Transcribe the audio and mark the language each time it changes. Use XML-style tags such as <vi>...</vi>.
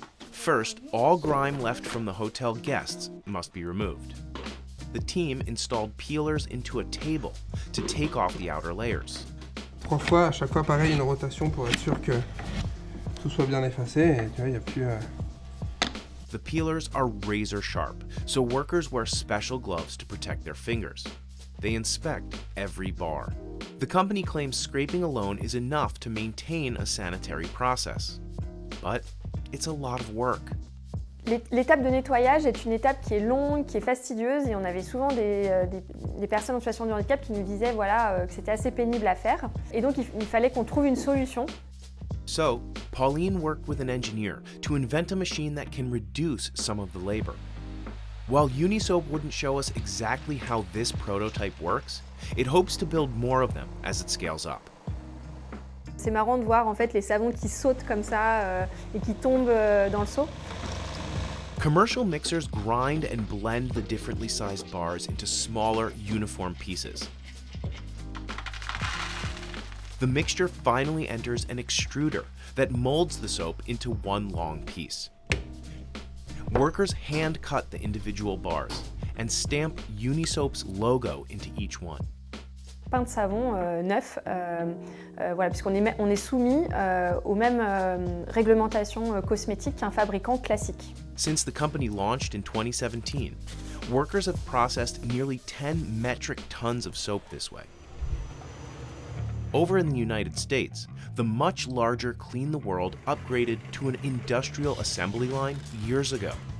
<en>First, all grime left from the hotel guests must be removed. The team installed peelers into a table to take off the outer layers.</en> <fr>Trois fois, à chaque fois pareil, une rotation pour être sûr que tout soit bien effacé. Et tu vois, y a plus,</fr> <en>The peelers are razor sharp, so workers wear special gloves to protect their fingers. They inspect every bar. The company claims scraping alone is enough to maintain a sanitary process. But it's a lot of work.</en> <fr>L'étape de nettoyage est une étape qui est longue, qui est fastidieuse, et on avait souvent des personnes en situation de handicap qui nous disaient voilà, que c'était assez pénible à faire. Et donc il fallait qu'on trouve une solution.</fr> <en>So, Pauline worked with an engineer to invent a machine that can reduce some of the labor. While Unisoap wouldn't show us exactly how this prototype works, it hopes to build more of them as it scales up.</en> <fr>C'est marrant de voir en fait les savons qui sautent comme ça et qui tombent dans le seau.</fr> <en>Commercial mixers grind and blend the differently sized bars into smaller, uniform pieces. The mixture finally enters an extruder that molds the soap into one long piece. Workers hand cut the individual bars and stamp Unisoap's logo into each one.</en> <fr>Pain de savon neuf, voilà, puisqu'on est soumis aux mêmes réglementations cosmétiques qu'un fabricant classique.</fr> <en>Since the company launched in 2017, workers have processed nearly 10 metric tons of soap this way. Over in the United States, the much larger Clean the World upgraded to an industrial assembly line years ago.</en>